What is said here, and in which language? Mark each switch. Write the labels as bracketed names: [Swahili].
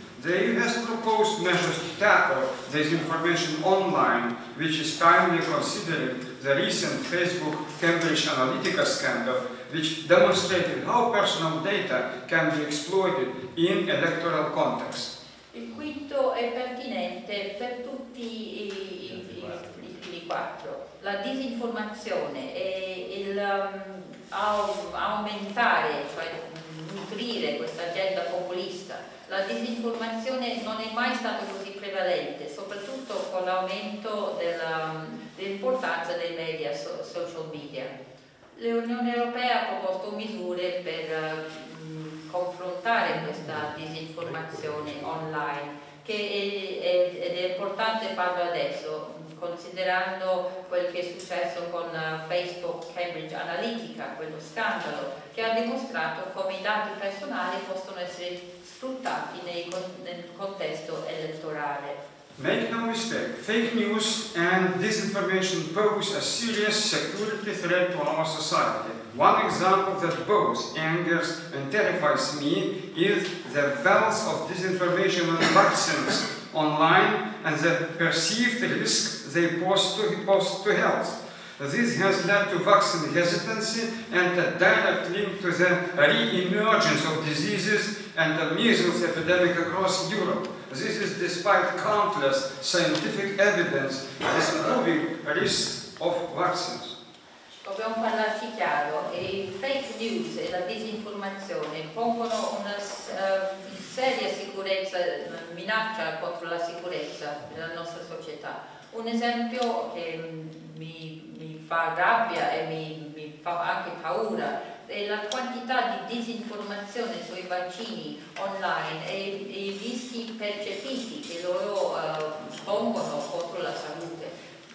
[English] The EU has proposed measures to tackle disinformation online, which is timely considering the recent Facebook Cambridge Analytica scandal, which demonstrated how personal data can be exploited in electoral contexts. [Italian] Il quinto è pertinente per tutti i quattro. La disinformazione e il aumentare, cioè nutrire questa agenda populista. La disinformazione non è mai stata così prevalente, soprattutto con l'aumento dell'importanza dei media, social media. L'Unione Europea ha proposto misure per confrontare questa disinformazione online, che è importante farlo adesso, considerando quel che è successo con Facebook Cambridge Analytica, quello scandalo, che ha dimostrato come i dati personali possono essere sfruttati nel contesto elettorale. [English] Make no mistake, fake news and disinformation pose a serious security threat to our society. One example that both angers and terrifies me is the balance of disinformation and vaccines online and the perceived risk they pose to health. This has led to vaccine hesitancy and a direct link to the re-emergence of diseases and the measles epidemic across Europe. This is despite countless scientific evidence disproving risks of vaccines. [Italian] Dobbiamo parlarci chiaro, i fake news e la disinformazione pongono una seria sicurezza, minaccia contro la sicurezza della nostra società. Un esempio che mi fa rabbia e mi fa anche paura è la quantità di disinformazione sui vaccini online e i rischi percepiti che loro pongono contro la salute.